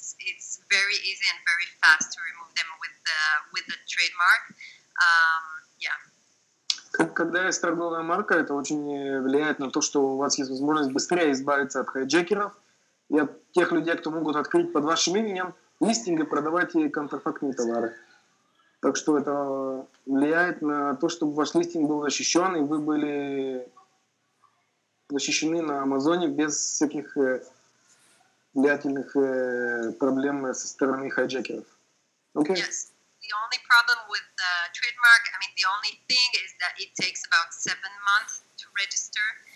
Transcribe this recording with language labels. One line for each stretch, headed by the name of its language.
English: It's very easy and very fast to remove them with a trademark. Yeah.
Russian: Когда есть торговая марка, это очень влияет на то, что у вас есть возможность быстрее избавиться от хайджекеров и от тех людей, кто могут открыть под вашим именем листинг и продавать контрафактные товары. Так что это влияет на то, чтобы ваш листинг был защищен, и вы были защищены на Амазоне без всяких влиятельных проблем со стороны хайджекеров.
English: Okay? Yes, the only problem with the trademark, I mean, the only thing is that it takes about 7 months to register.